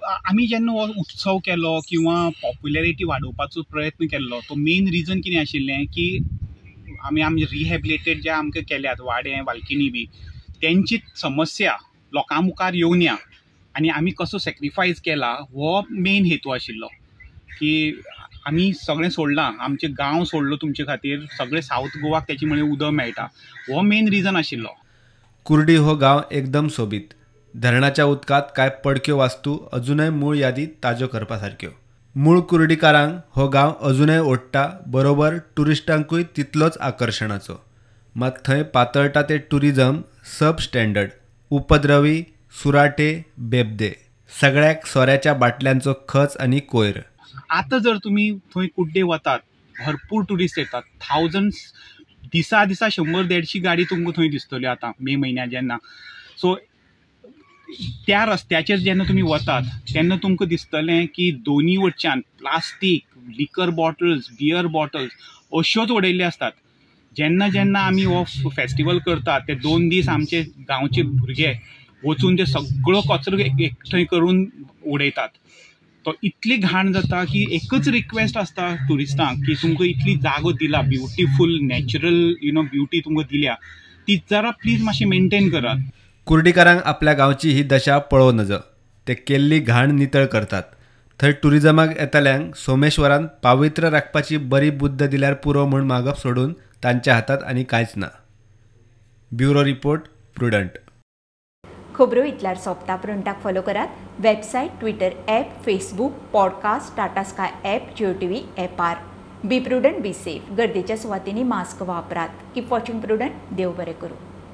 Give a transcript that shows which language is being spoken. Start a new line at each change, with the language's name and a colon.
Konkani: आमी जेन्ना हो उत्सव केलो किंवां पॉप्युलरिटी वाडोवपाचो प्रयत्न केल्लो तो मेन रिजन कितें आशिल्लें की आमी आमचे रिहॅबिलिटेड जे आमकां केल्यात वाडे बालकिनी बी तेंची समस्या लोकां मुखार येवन या आनी आमी कसो सॅक्रिफायस केला हो मेन हेतू आशिल्लो. की आमी सगळें सोडलां, आमचें गांव सोडलो तुमचे खातीर, सगळें साउथ गोवाक तेचे म्हळ्यार उदक मेळटा हो मेन रिजन आशिल्लो. कुर्डी हो गांव एकदम सोबीत. धरणाच्या उदकात काय पडक्यो वास्तू अजूनय मूळ यादी ताज्यो करपासारख्यो. मूळ कुर्डीकारांक हो गांव अजूनय ओडटा, बरोबर टुरिस्टांकूय तितलोच आकर्षणाचो. मात थंय पातळटा ते टुरिझम सब स्टँडर्ड. उपद्रवी सुराटे बेबदे सगळ्याक सोऱ्याच्या बाटल्यांचो खच आनी कोयर. आतां जर तुमी थंय कुर्डे वतात भरपूर टुरिस्ट येतात. थाउजंड्स दिसा दिसा 100-150 गाडी तुमकां थंय दिसतल्यो आतां मे म्हयन्या जेन्ना. सो त्या रस्त्याचेर जेन्ना तुमी वतात तेन्ना तुमकां दिसतलें की दोनी वटच्यान plastic liquor bottles beer bottles अश्योच उडयल्ले आसतात. जेन्ना जेन्ना आमी हो फेस्टिवल करतात ते दोन दीस आमचे गांवचे भुरगे वचून ते सगळो कचरो एक थंय करून उडयतात. तो इतली घाण जाता की एकच रिक्वेस्ट आसता टुरिस्टांक की तुमकां इतली जागो दिला, ब्युटिफूल नॅचरल ब्युटी तुमकां दिल्या, ती जरा प्लीज मातशी मेनटेन करात. कुर्डीकारांक आपल्या गांवची ही दशा पळोवं नज. ते केल्ली घाण नितळ करतात. थंय टुरिजमाक येताल्यांक सोमेश्वरान पावित्र राखपाची बरी बुद्द दिल्यार पुरो म्हूण मागप सोडून तांच्या हातांत आनी कांयच ना. Bureau report, prudent. खबरो इतल्यार सोंपता. प्रुडंटाक फॉलो करात website, Twitter app, Facebook, podcast, Tata sky app, जियो टीव्ही एपार.
English: Be prudent, be safe.
Konkani: गर्देच्या सुवातींनी मास्क वापरात.
English: Keep watching Prudent.
Konkani: देव बरें करूं.